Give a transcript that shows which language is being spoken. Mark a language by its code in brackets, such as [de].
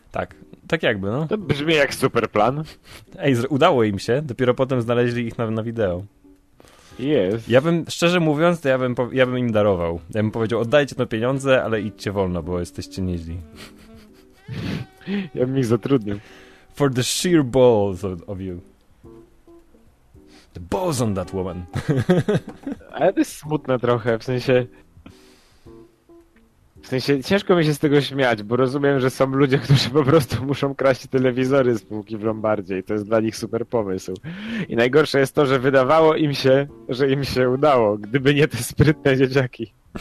[pl] Tak. Tak jakby, no. To brzmi jak super plan. Ej, udało im się. Dopiero potem znaleźli ich na wideo. Jest. Ja bym, szczerze mówiąc, to ja bym im darował. Ja bym powiedział, oddajcie to pieniądze, ale idźcie wolno, bo jesteście nieźli. Ja bym ich zatrudnił. [en] For the sheer balls of you. The balls on that woman. [pl] Ale to jest smutne trochę, w sensie ciężko mi się z tego śmiać, bo rozumiem, że są ludzie, którzy po prostu muszą kraść telewizory z półki w Lombardzie i to jest dla nich super pomysł. I najgorsze jest to, że wydawało im się, że im się udało, gdyby nie te sprytne dzieciaki.